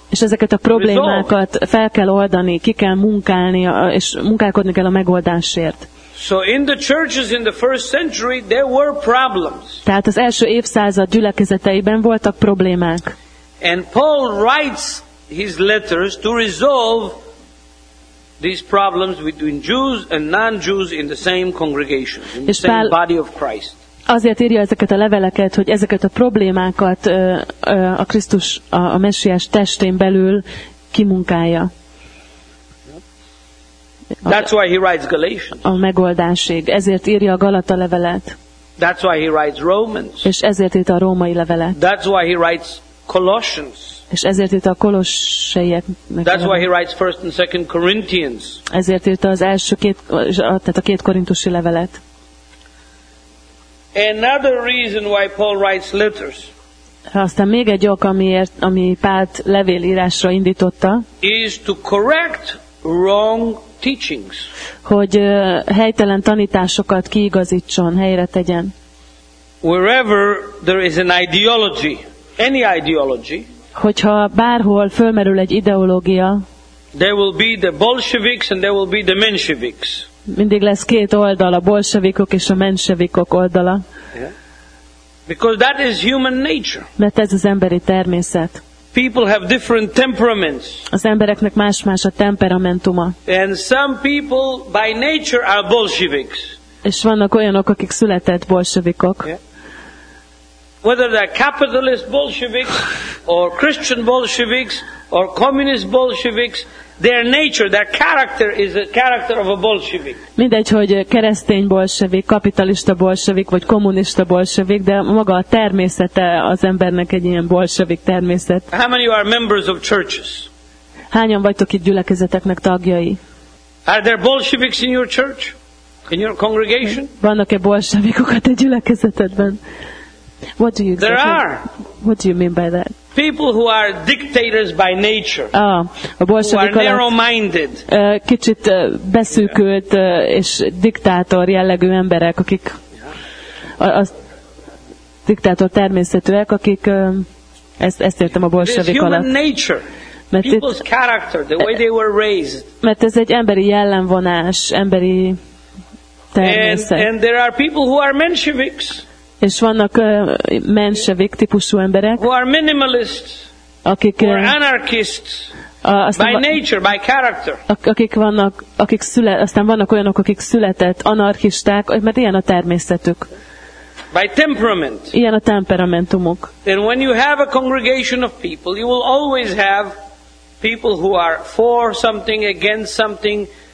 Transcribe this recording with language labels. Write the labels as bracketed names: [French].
[Hungarian] És ezeket a problémákat fel kell oldani, ki kell munkálni, és munkálkodni kell a megoldásért. [English] So in the churches in the first century there were problems. [Hungarian] Tehát az első évszázad gyülekezeteiben voltak problémák. [English] And Paul writes his letters to resolve these problems between Jews and non-Jews in the same congregation, in the same body of Christ. [Hungarian] Azért írja ezeket a leveleket, hogy ezeket a problémákat a Krisztus, a Messiás testén belül kimunkálja. [English] That's why he writes Galatians. [Hungarian] A megoldásig. Ezért írja a Galata levelet. [English] That's why he writes Romans. [Hungarian] És ezért írta a római levelet. [English] That's why he writes Colossians. [Hungarian] És ezért írta a Kolosseieknek. [English] That's why he writes First and Second Corinthians. [Hungarian] Ezért írta az első két, tehát a két korintusi levelet. [English] Another reason why Paul writes letters. [Hungarian] Aztán még egy ok, amiért, ami Pált levélírásra indította, [English] is to correct wrong teachings. [Hungarian] Hogy helytelen tanításokat kiigazítson, helyre tegyen. [English] Wherever there is an ideology, any ideology, [Hungarian] hogyha bárhol fölmerül egy ideológia, [English] there will be the Bolsheviks and there will be the Mensheviks. [Hungarian] Mindig lesz két oldal, a bolsevikok és a mensevikok oldala. [English] Because that is human nature. [Hungarian] Mert ez az emberi természet. [English] People have different temperaments. [Hungarian] Az embereknek más-más a temperamentuma. [English] And some people by nature are Bolsheviks. [Hungarian] És vannak olyanok, akik született bolsevikok. [English] Whether they're capitalist Bolsheviks or Christian Bolsheviks or communist Bolsheviks, their nature, their character is the character of a Bolshevik. [Hungarian] Mindegy, hogy keresztény bolsevik, kapitalista bolsevik, vagy kommunista bolsevik, de maga a természete az embernek egy ilyen bolsevik természet. [English] How many are members of churches? [Hungarian] Hányan vagytok itt gyülekezeteknek tagjai? [English] Are there Bolsheviks in your church? In your congregation? [Hungarian] Vannak-e bolsevikok a te gyülekezetedben? [English] What do you exactly, there are. What do you mean by that? People who are dictators by nature. Ah, a bolsevik who are narrow-minded. [Hungarian] Kicsit beszűkült és diktátor jellegű emberek, akik az diktátor természetűek, akik ezt értem a bolsevik alatt. [English] Human nature. [Hungarian] Mert [English] people's character, the way they were raised. [Hungarian] Mert ez egy emberi jellemvonás, emberi természet. [English] And there are people who are Mensheviks. [Hungarian] És vannak Menshevik típusú emberek. [English] Who are minimalists. [Hungarian] Akik [English] anarchists. By nature, by character. [Hungarian] Aztán vannak olyanok, akik született anarchisták, mert ilyen a természetük. [English] By temperament. [Hungarian] Ilyen a temperamentumuk. [English] And when you have a congregation of people, you will always have people who are for something, against something.